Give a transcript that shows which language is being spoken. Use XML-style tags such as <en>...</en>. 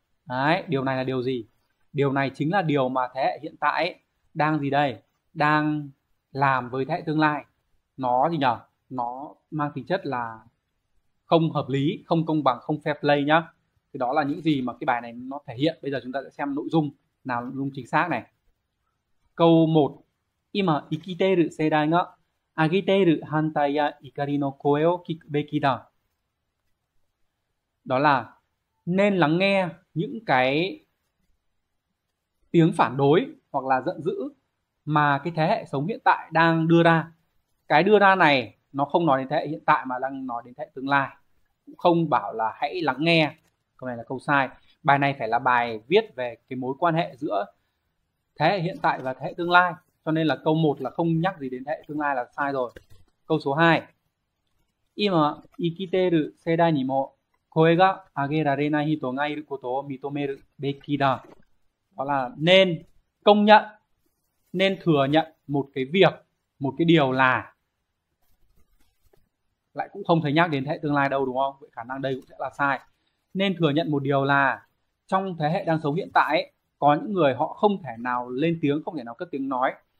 <vi>Đấy, điều này là điều gì? Điều này chính là điều mà thế hệ hiện tại ấy, đang gì đây? Đang làm với thế hệ tương lai. Nó gì nhỉ? Nó mang tính chất là không hợp lý, không công bằng, không fair play nhá. Thì đó là những gì mà cái bài này nó thể hiện. Bây giờ chúng ta sẽ xem nội dung nào, nội dung chính xác này. Câu 1.</vi> <ja>今生きている世代が上げている反対や怒りの声を聞くべきだ。</ja> <vi>Đó là nên lắng nghe những cái tiếng phản đối hoặc là giận dữ mà cái thế hệ sống hiện tại đang đưa ra. Cái đưa ra này nó không nói đến thế hệ hiện tại mà đang nói đến thế hệ tương lai, cũng không bảo là hãy lắng nghe. Câu này là câu sai. Bài này phải là bài viết về cái mối quan hệ giữa thế hệ hiện tại và thế hệ tương lai, cho nên là câu 1 là không nhắc gì đến thế hệ tương lai là sai rồi. Câu số 2.</vi> <ja>今生きている世代にも声が上げられない人がいることを認めるべきだ。</ja> <vi>đó là nên công nhận, nên thừa nhận một cái việc, một cái điều là, lại cũng không thấy nhắc đến thế hệ tương lai đâu đúng không, vậy khả năng đây cũng sẽ là sai. Nên thừa nhận một điều là trong thế hệ đang sống hiện tại ấy, có những người họ không thể nào lên tiếng, không thể nào cất tiếng nói.</vi>